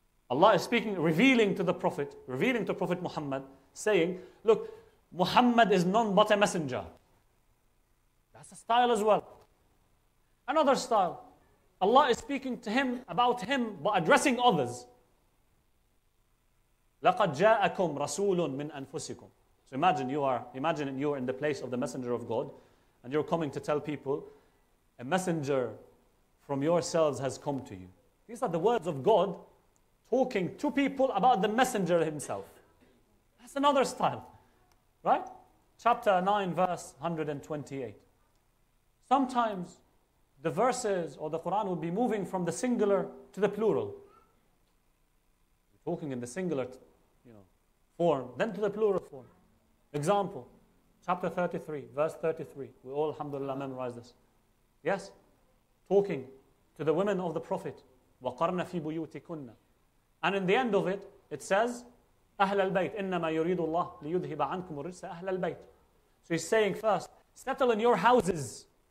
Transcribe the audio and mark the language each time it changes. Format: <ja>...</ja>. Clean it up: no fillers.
<en>Allah is speaking, revealing to Prophet Muhammad, saying, look, Muhammad is none but a messenger. That's a style as well. Another style, Allah is speaking to him about him, but addressing others.</en> <ar>لقد جاءكم رسول من أنفسكم.</ar> <en>So imagine you are in the place of the messenger of God, and you're coming to tell people, a messenger from yourselves has come to you. These are the words of God talking to people about the messenger himself. That's another style, right? Chapter 9, verse 128. Sometimes the verses or the Quran will be moving from the singular to the plural. You're talking in the singular, you know, form, then to the plural form. Example, chapter 33, verse 33. We all, alhamdulillah, memorize this. Yes, talking to the women of the prophet.</en> <ar>وَقَرْنَ فِي بُيُوتِكُنَّ.</ar> <en>And in the end of it, it says,</en> <ar>أَهْلَ الْبَيْتِ إِنَّمَا يُرِيدُ اللَّهِ لِيُذْهِبَ عَنْكُمْ الرِّجْسَ أَهْلَ الْبَيْتِ.</ar> <en>So he's saying first, settle in your houses.</en>